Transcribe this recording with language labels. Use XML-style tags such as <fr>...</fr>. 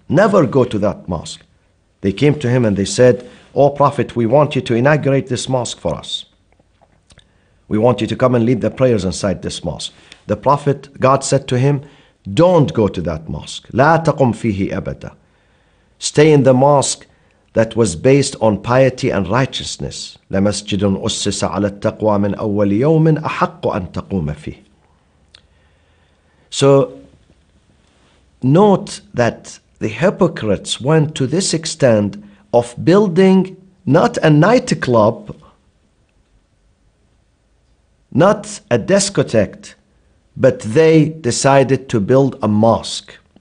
<en>Never go to that mosque. They came to him and they said, O Prophet, we want you to inaugurate this mosque for us. We want you to come and lead the prayers inside this mosque. The Prophet, God said to him, don't go to that mosque.</en> <ar>لا تقم فيه أبدا.</ar> <en>Stay in the mosque that was based on piety and righteousness.</en> <ar>لمسجد أسس على التقوى من أول يوم أحق أن تقوم فيه.</ar> <en>So note that the hypocrites went to this extent of building not a nightclub, not a discotheque, but they decided to build a mosque.</en>